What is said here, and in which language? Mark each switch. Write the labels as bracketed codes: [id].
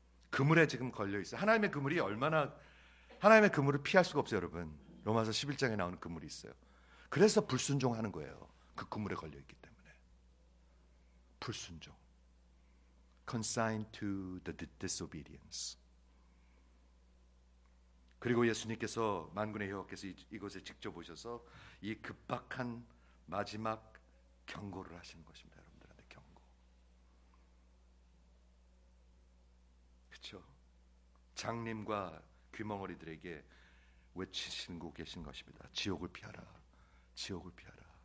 [ko] 그물에 지금 걸려있어요. 하나님의 그물이 얼마나, 하나님의 그물을 피할 수가 없어요. 여러분, 로마서 11장에 나오는 그물이 있어요. 그래서 불순종하는 거예요. 그 그물에 걸려있기 때문에. 불순종. [en] Consigned to the disobedience. [ko] 그리고 예수님께서 만군의 여호와께서 이곳에 직접 오셔서 이 급박한 마지막 경고를 하시는 것입니다. 여러분들한테 경고. 그렇죠? 장님과 귀멍어리들에게 외치시고 계신 것입니다. 지옥을 피하라. 지옥을 피하라.